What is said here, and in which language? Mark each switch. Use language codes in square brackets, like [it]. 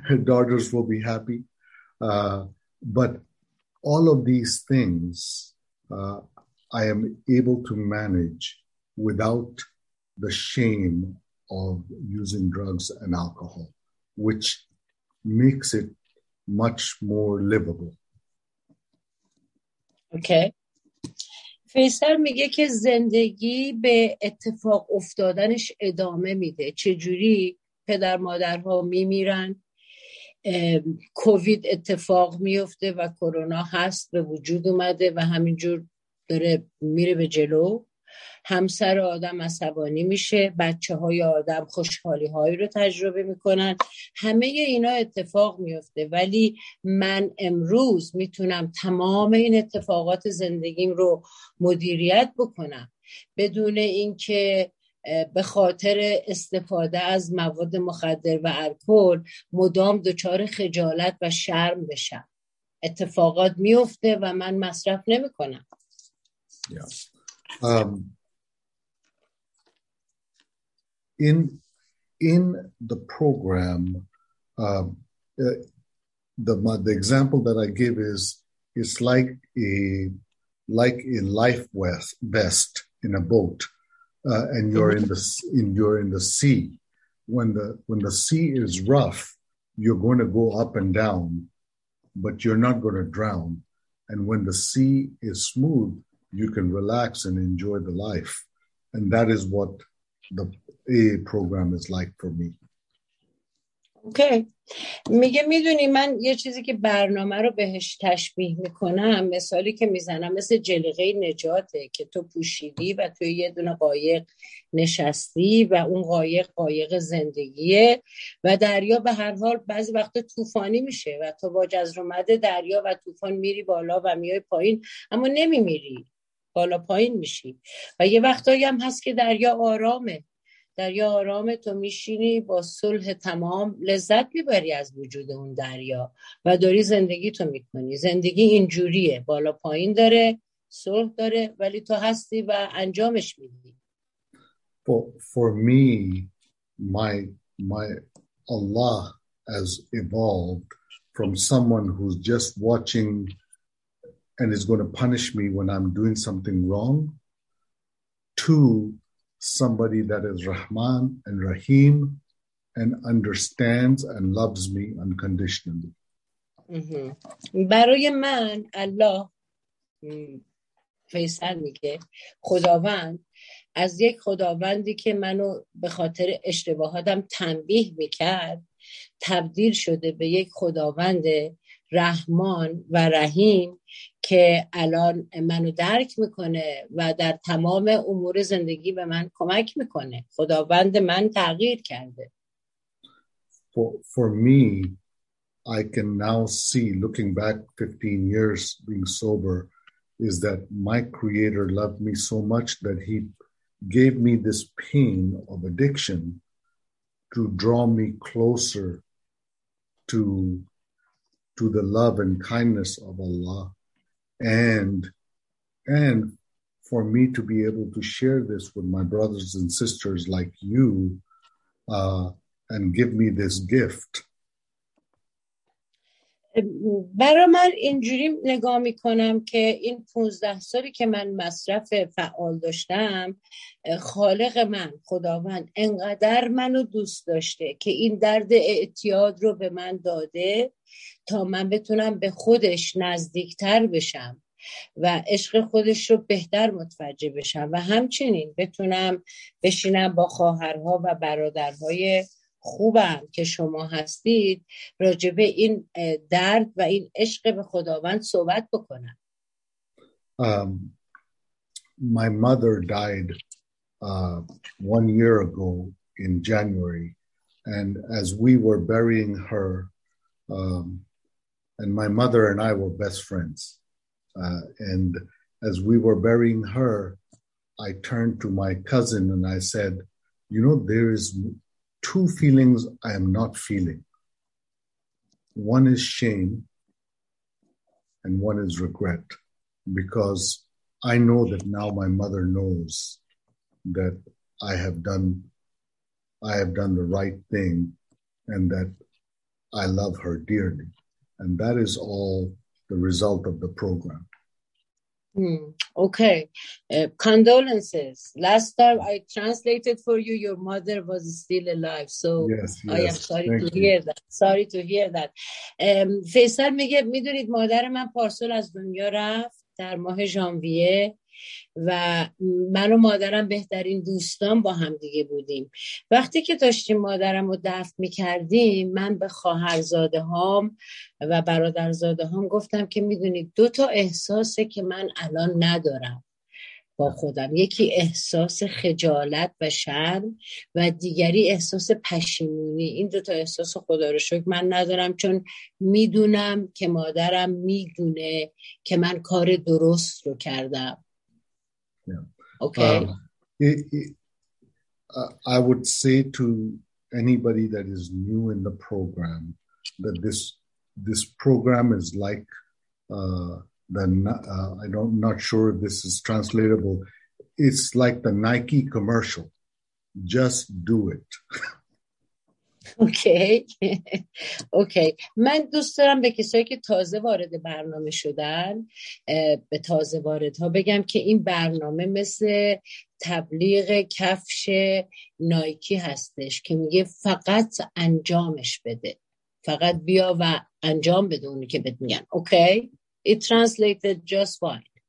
[en] Daughters will be happy. But all of these things I am able to manage without the shame of using drugs and alcohol, which makes it much more livable. Okay. [fa] فیصل میگه که زندگی به اتفاق افتادنش ادامه میده. چجوری؟ پدر مادرها میمیرن، کووید اتفاق میفته و کرونا هست به وجود اومده و همینجور داره میره به جلو. همسر آدم عصبانی میشه، بچه های آدم خوشحالی هایی رو تجربه میکنن، همه اینا اتفاق میفته، ولی من امروز میتونم تمام این اتفاقات زندگیم رو مدیریت بکنم بدون اینکه به خاطر استفاده از مواد مخدر و الکل مدام دچار خجالت و شرم بشم. اتفاقات میفته و من مصرف نمیکنم. [en] In the program, the example that I give is it's like a life vest in a boat, and you're in the sea. When the sea is rough, you're going to go up and down, but you're not going to drown. And when the sea is smooth, you can relax and enjoy the life. And that is what the A program is like for me. Okay. [fa] میگه میدونی من یه چیزی که برنامه رو بهش تشبیه میکنم، مثالی که میزنم مثل جلیقه نجاته که تو پوشیدی و توی یه دونه قایق نشستی و اون قایق قایق زندگیه و دریا به هر حال بعضی وقت طوفانی میشه و تو با جزرومد دریا و طوفان میری بالا و میای پایین، اما نمیمیری، بالا پایین میشی. و یه وقتایی هم هست که دریا آرامه، تو میشینی با صلح تمام لذت میبری از وجود اون دریا و داری زندگی تو میکنی. زندگی اینجوریه، بالا پایین داره، صلح داره، ولی تو هستی و انجامش میدی. [en] For me, my Allah has evolved from someone who's just watching and is going to punish me when I'm doing something wrong to somebody that is Rahman and Rahim and understands and loves me unconditionally. [fa] برای من الله فیصل میگه خداوند از یک خداوندی که منو به خاطر اشتباهاتم تنبیه میکرد تبدیل شده به یک خداوند رحمان و رحیم که الان منو درک میکنه و در تمام امور زندگی به من کمک میکنه. خداوند من تغییر کرده. [en] For me, I can now see, looking back 15 years being sober, is that my creator loved me so much that he gave me this pain of addiction to draw me closer to the love and kindness of Allah, and for me to be able to share this with my brothers and sisters like you, and give me this gift. [fa] برای من اینجوری نگاه میکنم که این 15 سالی که من مصرف فعال داشتم، خالق من خداوند انقدر منو دوست داشته که این درد اعتیاد رو به من داده تا من بتونم به خودش نزدیکتر بشم و عشق خودش رو بهتر متوجه بشم و همچنین بتونم بشینم با خواهرها و برادرهای خوبم که شما هستید راجبه این درد و این عشق به خداوند صحبت بکنم. [en] My mother died 1 year ago in January, and as we were burying her, and my mother and I were best friends, and as we were burying her, I turned to my cousin and I said, you know, there is two feelings I am not feeling. One is shame and one is regret, because I know that now my mother knows that I have done the right thing and that I love her dearly. And that is all the result of the program. Okay. Condolences. Last time I translated for you, your mother was still alive. So yes, yes. I am sorry Thank to you. Hear that. Sorry to hear that. [fa] Faisal میگه میدونید مادر من پارسال از دنیا رفت در ماه ژانویه و من و مادرم بهترین دوستان با هم دیگه بودیم. وقتی که داشتیم مادرم رو دفن می‌کردیم، من به خواهرزاده‌هام و برادرزاده‌هام گفتم که می‌دونید دو تا احساسه که من الان ندارم، با خودم، یکی احساس خجالت و شرم و دیگری احساس پشیمونی. این دو تا احساس خدا رو شکر من ندارم، چون میدونم که مادرم میدونه که من کار درست رو کردم. [en] Okay. I would say to anybody that is new in the program that this program is like I'm not sure if this is translatable. It's like the Nike commercial. Just do it. Okay. [fa] من دوست دارم به کسایی که تازه وارد برنامه شدن به تازه واردها بگم که این برنامه مثل تبلیغ کفش نایکی هستش که میگه فقط انجامش بده، فقط بیا و انجام بده اونی که بهت میگن. [en] Okay. It translated just fine.